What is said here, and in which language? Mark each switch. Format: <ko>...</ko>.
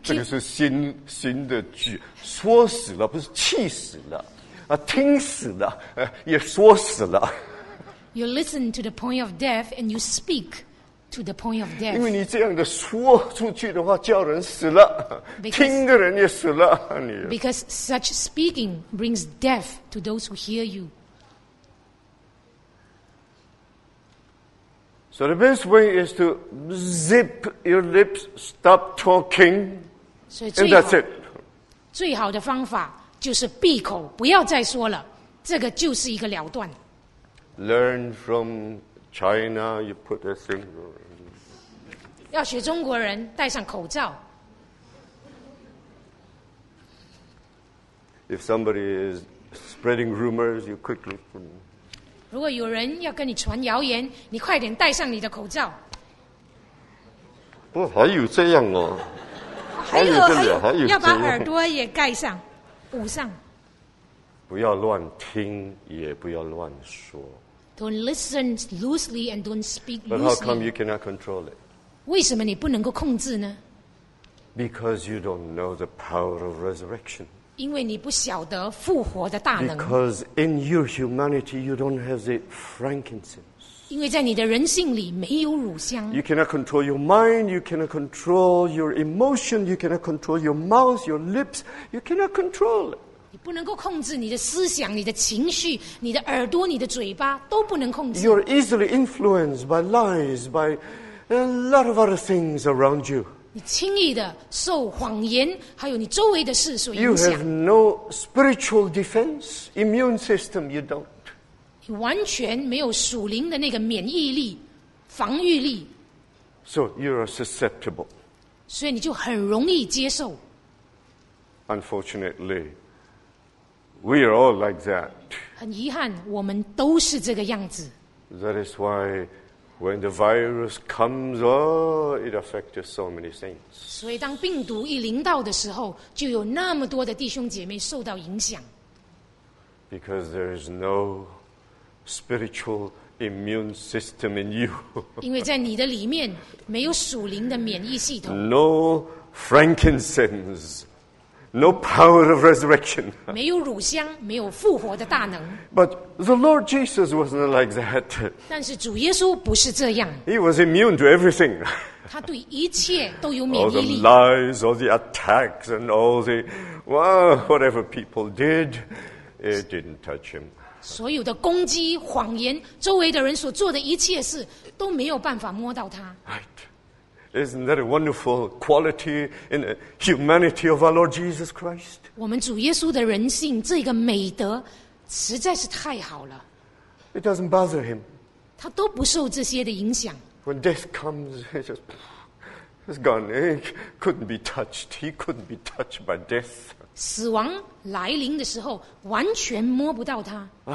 <zh>这个是 新的句说死了不是气死了、啊、听死了、也说死了</zh> <en>You listen to the point of death and you speak. To the point of death.</en> <zh>因为你这样的说出去的话，叫人死了，</zh> <en>because,</en> <zh>听的人也死了。你</zh> <en>because such speaking brings death to those who hear you. So the best way is to zip your lips, stop talking, and that's it.</en> <zh>最好的方法就是闭口，不要再说了，这个就是一个了断。</zh> <en>Learn from. China, you put a single.</en> <zh>要学中国人戴上口罩。</zh> <en>If somebody is spreading rumors, you quickly.</en> <zh>如果有人要跟你传谣言，你快点戴上你的口罩。不，还有这样哦。还有这样，还有要把耳朵也盖上，捂上。不要乱听，也不要乱说。</zh> <en>Don't listen loosely and don't speak loosely. But how come you cannot control it?</en> <zh>为什么你不能够控制呢?</zh> <en>Because you don't know the power of resurrection.</en> <zh>因为你不晓得复活的大能。</zh> <en>Because in your humanity, you don't have the frankincense.</en> <zh>因为在你的人性里没有乳香。</zh> <en>You cannot control your mind. You cannot control your emotion. You cannot control your mouth, your lips. You cannot control it.</en> <zh>你不能够控制你的思想你的情绪你的耳朵你的嘴巴都不能控制</zh> <en>You're easily influenced by lies by a lot of other things around you</en> <zh>你轻易的受谎言还有你周围的事所影响</zh> <en>You have no spiritual defense immune system you don't</en> <zh>你完全没有属灵的那个免疫力防御力</zh> <en>So you're susceptible</en> <zh>所以你就很容易接受</zh> <en>UnfortunatelyWe are all like that.</en> <zh>很遗憾，我们都是这个样子。</zh> <en>That is why, when the virus comes, oh, it affects so many saints.</en> <zh>所以，当病毒一临到的时候，就有那么多的弟兄姐妹受到影响。</zh> <en>Because there is no spiritual immune system in you.</en> <zh>因为在你的里面没有属灵的免疫系统。</zh> <en>No frankincense. No power of resurrection.</en> <zh>没有乳香，没有复活的大能。</zh> <en>But the Lord Jesus wasn't like that.</en> <zh>但是主耶稣不是这样。</zh> <en>He was immune to everything.</en> <zh>他对一切都有免疫力。</zh> <en>All the lies, all the attacks, and all the, well, whatever people did, it didn't touch him.</en> <zh>所有的攻击、谎言、周围的人所做的一切事都没有办法摸到他。</zh> <en>Right. Isn't that a wonderful quality in the humanity of our Lord Jesus Christ?</en> <zh>我们主耶稣的人性这个美德实在是太好了。</zh> <en>It doesn't bother him.</en> <zh>他都不受这些的影响。</zh> <en>When death comes, he just, he's gone. He couldn't be touched. He couldn't be touched by death.</en> <zh>死亡来临的时候完全摸不到他。</zh>